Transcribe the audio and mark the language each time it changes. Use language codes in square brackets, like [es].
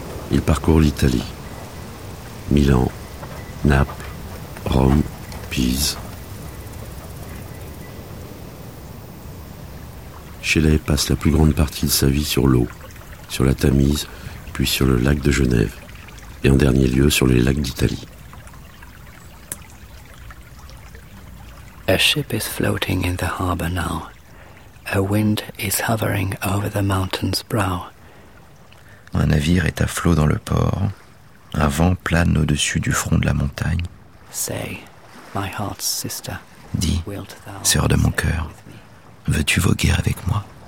[fr] Il parcourt l'Italie, Milan, Naples, Rome, Pise. Shelley passe la plus grande partie de sa vie sur l'eau, sur la Tamise, puis sur le lac de Genève, et en dernier lieu sur les lacs d'Italie. [en] A ship is floating in the harbor now. A wind is hovering over the mountain's brow. [fr] Un navire est à flot dans le port. Un vent plane au-dessus du front de la montagne. [en] Say, my heart's sister, [fr] dis, sœur de mon cœur, veux-tu voguer avec moi?